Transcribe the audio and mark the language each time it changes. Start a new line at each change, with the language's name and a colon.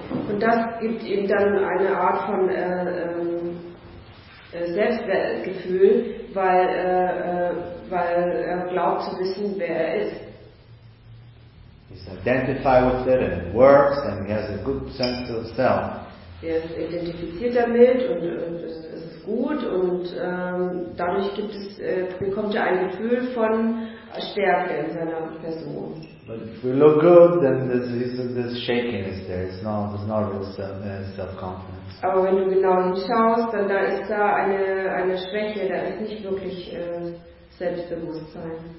German: Und das gibt ihm dann eine Art von Selbstwertgefühl, weil er glaubt zu wissen, wer er ist.
English: He's identified with it and it works and he has a good sense of self.
German: Er ist identifiziert damit und es ist gut und dadurch bekommt er ein Gefühl von Stärke in seiner Person.
English: But if we look good, then this shaking is there. There's no real self-confidence.
German: Aber wenn du genau hinschaust, dann da ist da eine Schwäche, da ist nicht wirklich Selbstbewusstsein.